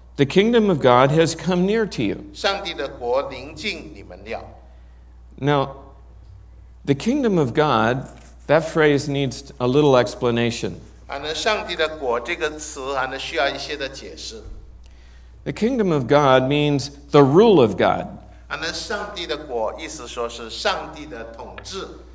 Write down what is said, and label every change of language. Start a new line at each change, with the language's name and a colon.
English: the kingdom of God has come near to you.
Chinese: 上帝的国临近你们了。
English: Now, the kingdom of God, that phrase needs a little explanation.
Chinese: 上帝的国这个词需要一些的解释。
English: The kingdom of God means the rule of God.
Chinese: 上帝的国意思说是上帝的统治。